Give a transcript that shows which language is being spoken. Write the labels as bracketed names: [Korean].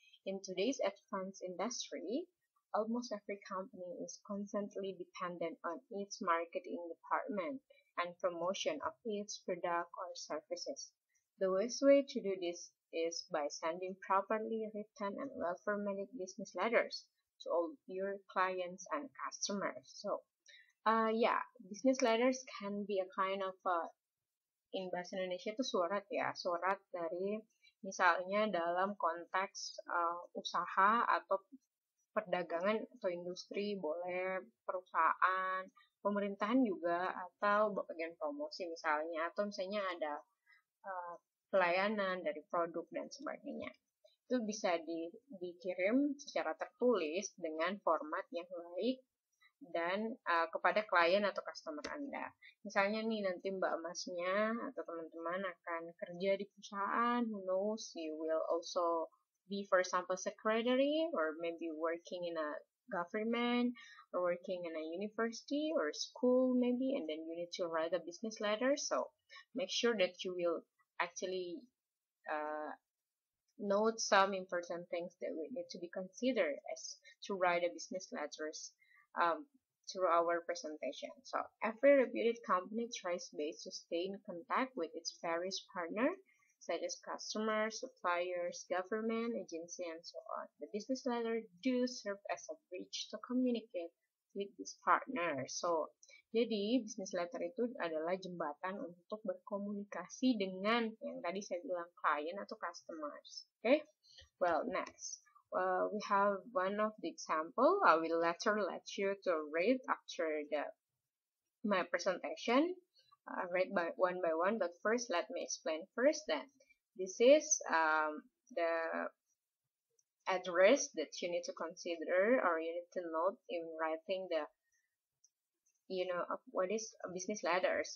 [English] In today's advanced industry, almost every company is constantly dependent on its marketing department and promotion of its product or services. The best way to do this is by sending properly written and well-formatted business letters to all your clients and customers. So, business letters can be a kind of [Indonesian] in bahasa Indonesia itu surat ya, surat dari misalnya dalam konteks usaha atau perdagangan atau industri, boleh perusahaan, pemerintahan juga, atau bagian promosi misalnya, atau misalnya ada pelayanan dari produk dan sebagainya. Itu bisa dikirim secara tertulis dengan format yang baik dan kepada klien atau customer Anda. Misalnya nih, nanti Mbak Masnya atau teman-teman akan kerja di perusahaan, [English] who knows, you will also be for example secretary, or maybe working in a government, or working in a university or school maybe, and then you need to write a business letter. So make sure that you will actually note some important things that we need to be considered as to write a business letters through our presentation. So every reputed company tries best to stay in contact with its various partners, such as customers, suppliers, government, agency, and so on. The business letter do serve as a bridge to communicate with this partner. So [Indonesian] Jadi, business letter itu adalah jembatan untuk berkomunikasi dengan yang tadi saya bilang client atau customers. [English] Okay? Well, next. We have one of the example. I will later let you to read after the my presentation. Read by one by one, but first let me explain first then. This is the address that you need to consider or you need to note in writing the, you know, what is business letters.